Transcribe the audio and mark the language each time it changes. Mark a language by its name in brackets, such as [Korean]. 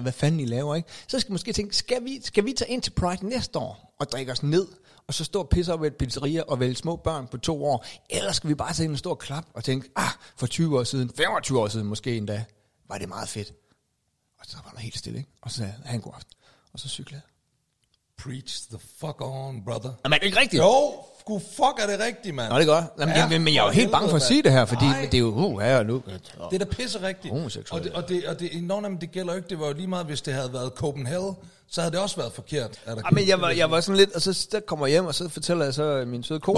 [Danish] Hvad fanden I laver, ikke? Så skal måske tænke, skal vi tage ind til Pride næste år og drikke os ned? Og så stå og pisse op i et pizzeria og vælge små børn på 2 år? Eller skal vi bare tage ind og stå og klap og tænke, ah, for 20 år siden, 25 år siden måske endda, var det meget fedt. Og så var der helt stille, ikke? Og så sagde han, god aften. Og så cyklede jeg. [English] Preach the fuck on, brother. [Danish] Er det ikke rigtigt? Jo, god fuck er det rigtigt, mand. Nå, det er godt. Jamen, ja, men jeg er jo helt bange for at sige det her, fordi det er jo, nu. Det er da pisse rigtigt. Homoseksuelt. Og det gælder ikke, det var jo lige meget, hvis det havde været Copenhagen, så havde det også været forkert. Jamen, jeg var sådan lidt, og så der kommer hjem, og så fortæller jeg så min søde kone.